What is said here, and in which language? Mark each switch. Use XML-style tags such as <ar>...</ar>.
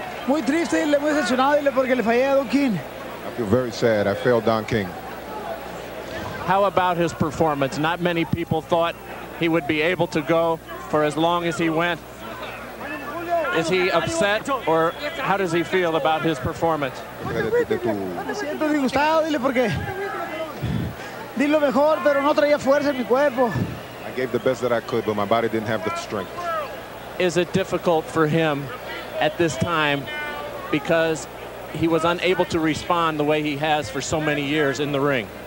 <es>Muy triste, muy decepcionado, porque le fallé a Don King.</es> <en>I feel very sad. I failed Don King. How about his performance? Not many people thought he would be able to go for as long as he went. Is he upset, or how does he feel about his performance?</en> <es>Siento disgustado, dile por qué. Di lo mejor, pero no traía fuerza en mi cuerpo.</es> <en>I gave the best that I could, but my body didn't have the strength. Is it difficult for him at this time because he was unable to respond the way he has for so many years in the ring?</en>